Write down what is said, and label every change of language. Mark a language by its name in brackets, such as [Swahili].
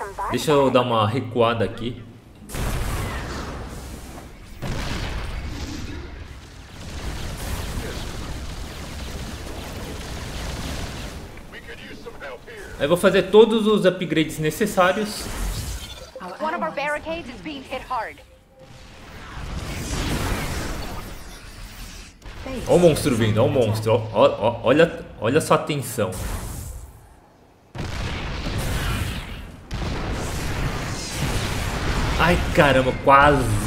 [Portuguese] Deixa eu dar uma recuada aqui. Aí vou fazer todos os upgrades necessários. [English] One of our barricades is being hit hard. [Portuguese] Olha o monstro vindo, olha o monstro, olha só a tensão. Ai caramba, quase.